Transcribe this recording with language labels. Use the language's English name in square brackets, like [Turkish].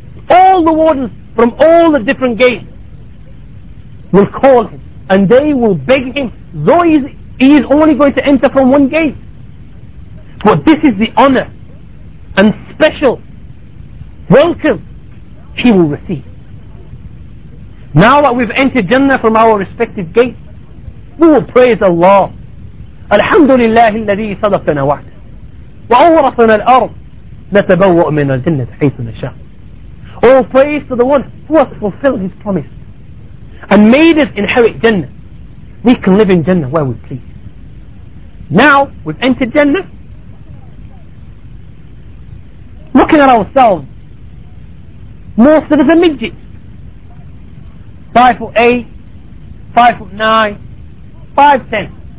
[English] All the wardens from all the different gates will call him and they will beg him, though he is only going to enter from one gate. But this is the honor and special welcome he will receive. Now that we've entered Jannah from our respective gates, we will praise Allah. [Arabic] Alhamdulillah الذي صدقنا وعده وأورثنا الأرض نتبوأ من الجنة حيث نشاء. [English] All praise to the one who has fulfilled his promise and made us inherit Jannah. We can live in Jannah where we please. Now we've entered Jannah, looking at ourselves most of us are midgets, 5'8", 5'9", 5'10".